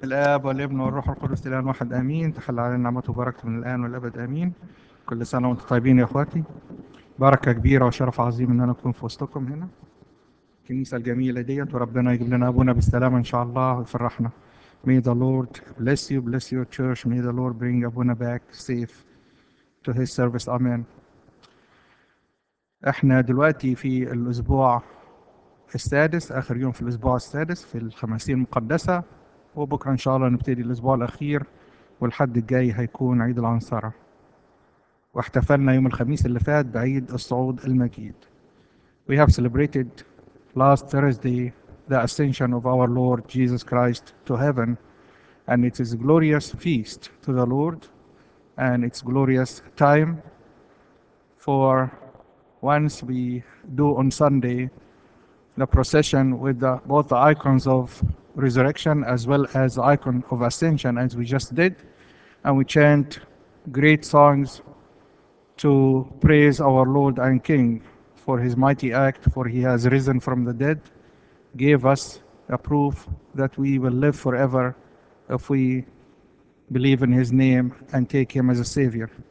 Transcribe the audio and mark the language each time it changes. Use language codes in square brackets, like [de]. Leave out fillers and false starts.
[ar] الآب والابن والروح القدس الآن واحد آمين. تحل علينا نعمته وبركته من الآن والأبد آمين. كل سنة وأنتم طيبين يا إخواتي. بركة كبيرة وشرف عظيم إن أنا أكون في وسطكم هنا الكنيسة الجميلة ديت، وربنا يجيب لنا أبونا بالسلامة إن شاء الله ويفرحنا. [en] May the Lord bless you, bless your church. May the Lord bring Abuna back safe to his service. Amen. [ar] إحنا دلوقتي في الأسبوع السادس، آخر يوم في الأسبوع السادس في الخمسين المقدسة، وبكرة إن شاء الله نبتدي الأسبوع الأخير، والحد الجاي هيكون عيد العنصرة، واحتفلنا يوم الخميس اللي فات بعيد الصعود المجيد. [en] We have celebrated last Thursday the ascension of our Lord Jesus Christ to heaven, and it is a glorious feast to the Lord, and it's glorious time for once we do on Sunday the procession with the, both the icons of resurrection as well as the icon of ascension as we just did, and we chant great songs to praise our Lord and King for his mighty act, for he has risen from the dead, gave us a proof that we will live forever if we believe in his name and take him as a savior.